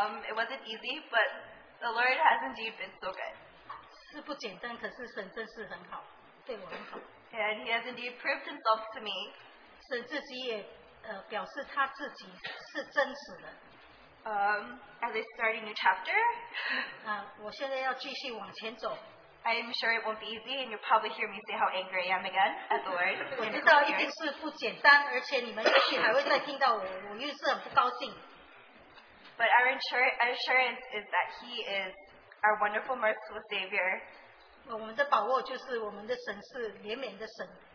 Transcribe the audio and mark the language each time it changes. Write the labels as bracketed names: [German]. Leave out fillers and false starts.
[English] It wasn't easy, but the Lord has indeed been so good. [Chinese] 是不简单，可是神真是很好，对我很好。 [English] And he has indeed proved himself to me. [Chinese] 神自己也表示他自己是真实的。 [English] As I start a new chapter, [Chinese] 我现在要继续往前走。 [English] I'm sure it won't be easy, and you'll probably hear me say how angry I am again at the Lord. [Chinese] 我知道一定是不简单，而且你们也许还会再听到我，我又是很不高兴。 [English] But our assurance is that He is our wonderful, merciful Savior. [Chinese] 我们的把握就是我们的神是怜悯的神。